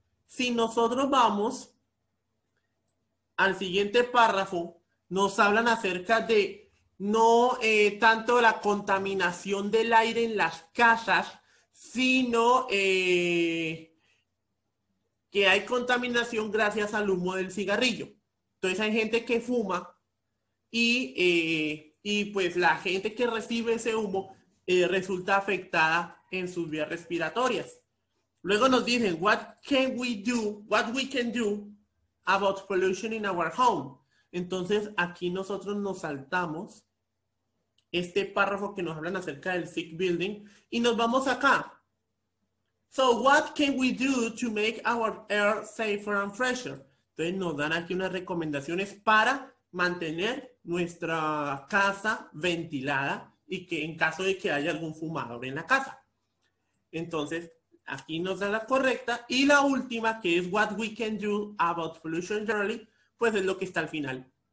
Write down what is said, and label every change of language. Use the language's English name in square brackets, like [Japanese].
[Spanish] Si nosotros vamos al siguiente párrafo, nos hablan acerca de no tanto la contaminación del aire en las casas, sino que hay contaminación gracias al humo del cigarrillo. Entonces hay gente que fuma y pues la gente que recibe ese humo resulta afectada en sus vías respiratorias. Luego nos dicen, [English] what we can do about pollution in our home? [Spanish] Entonces, aquí nosotros nos saltamos este párrafo que nos hablan acerca del [English] sick building [Spanish] y nos vamos acá. [English] So, what can we do to make our air safer and fresher? [Spanish] Entonces, nos dan aquí unas recomendaciones para mantener nuestra casa ventilada y que en caso de que haya algún fumador en la casa. Entonces, aquí nos da la correcta. Y la última, que es [English] what we can do about pollution generally, [Spanish] pues es lo que está al final.